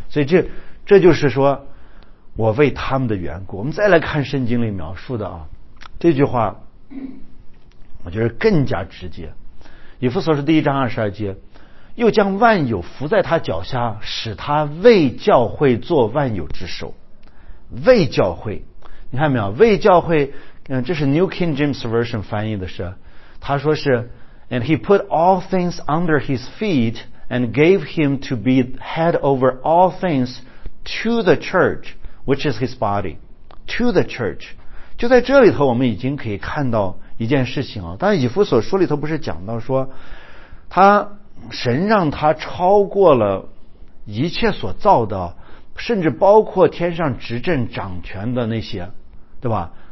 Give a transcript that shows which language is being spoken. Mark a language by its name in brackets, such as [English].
[Chinese] 所以这就是说我为他们的缘故。我们再来看圣经里描述的啊，这句话我觉得更加直接。以弗所书第一章二十二节，又将万有伏在他脚下，使他为教会做万有之首。为教会，你看没有？为教会，这是 [English] New King James Version [Chinese] 翻译的是，他说是 [English] And he put all things under his feet and gave him to be head over all things to the church, which is his body. To the church. [Chinese] 就在这里头我们已经可以看到一件事情了。但以弗所书里头不是讲到说他神让他超过了一切所造的，甚至包括天上执政掌权的那些，对吧？